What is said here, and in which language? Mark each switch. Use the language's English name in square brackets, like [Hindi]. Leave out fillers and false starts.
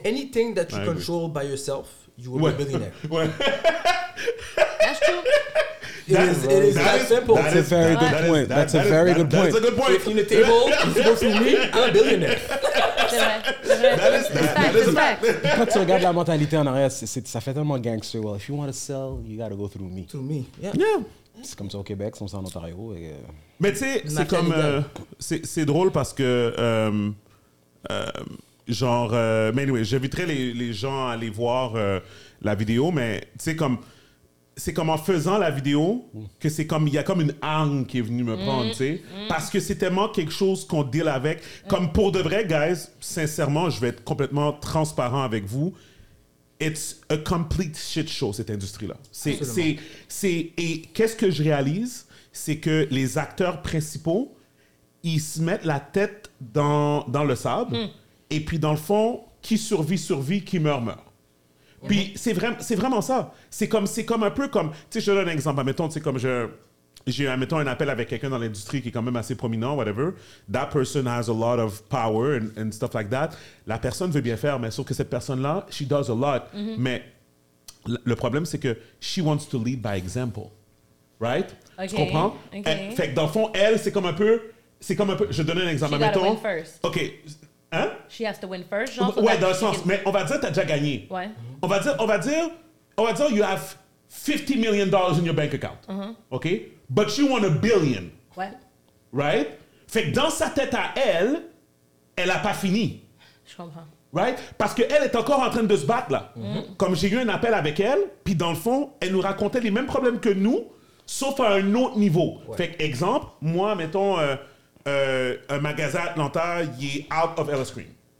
[English] Anything that you control by yourself, you will be a billionaire. That's true. It is that simple. That's a very good point. That's a very good point. That's a good point. If you're in the table, if you go through me, I'm a billionaire. That is a fact. [French] Quand tu regardes la mentalité en arrière, ça fait tellement gangster. [English] Well, if you want to sell, you got to go through me. Through me, yeah. Yeah. [French] C'est comme ça au Québec, c'est comme ça en Ontario. Et... Mais tu sais, c'est drôle parce que, mais anyway, j'inviterais les gens à aller voir la vidéo, mais tu sais, c'est comme en faisant la vidéo que c'est comme, il y a comme une arme qui est venue me prendre, tu sais. Parce que c'est tellement quelque chose qu'on deal avec. Comme pour de vrai, guys, sincèrement, je vais être complètement transparent avec vous. [English] It's a complete shit show, [French] cette industrie-là. Et qu'est-ce que je réalise? C'est que les acteurs principaux, ils se mettent la tête dans le sable. Mm. Et puis, dans le fond, qui survit, qui meurt. Puis, c'est vraiment ça. C'est comme un peu comme... Tu sais, je donne un exemple. Admettons, tu sais, comme j'ai un appel avec quelqu'un dans l'industrie qui est quand même assez prominent, whatever. [English] That person has a lot of power and stuff like that. [French] La personne veut bien faire, mais sauf que cette personne-là, [English] she does a lot. Mm-hmm. [French] Mais le problème, c'est que [English] she wants to lead by example. Right? Okay. [French] Tu comprends? [English] Okay. [French] Fait que dans le fond, elle, c'est comme un peu... Je donne un exemple. [English] She gotta win first. [French] OK. Hein? [English] She has to win first. [French] Genre, ouais, dans le sens. Mais on va dire que t'as déjà gagné. Ouais. Mm-hmm. On va dire [English] you have $50 million in your bank account. Mm-hmm. OK? But you want a billion. [French] Ouais. [English] Right? [French] Fait que dans sa tête à elle, elle n'a pas fini. Je comprends. [English] Right? [French] Parce qu'elle est encore en train de se battre, là. Mm-hmm. Comme j'ai eu un appel avec elle, puis dans le fond, elle nous racontait les mêmes problèmes que nous, sauf à un autre niveau. Ouais. Fait que, exemple, moi, mettons, un magasin à Atlanta, il est [English] out of Ellis Green.